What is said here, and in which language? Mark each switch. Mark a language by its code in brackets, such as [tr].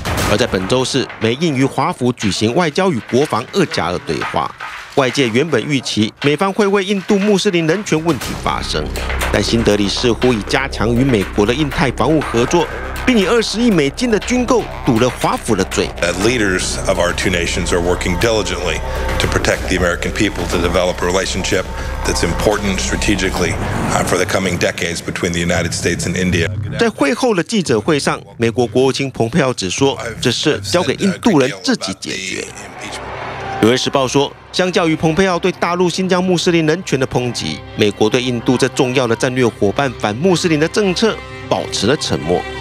[zh] 而在本周四，美印与华府举行外交与国防2+2对话。外界原本预期美方会为印度穆斯林人权问题发声，但新德里似乎已加强与美国的印太防务合作，并以$20亿的军购堵了华府的嘴。 [en] Leaders of our two nations are working diligently to protect the American people to develop a relationship that's important strategically for the coming decades between the United States and India. [zh] 在会后的记者会上，美国国务卿蓬佩奥只说，这事交给印度人自己解决。纽约时报说，相较于蓬佩奥对大陆新疆穆斯林人权的抨击，美国对印度这重要的战略伙伴反穆斯林的政策保持了沉默。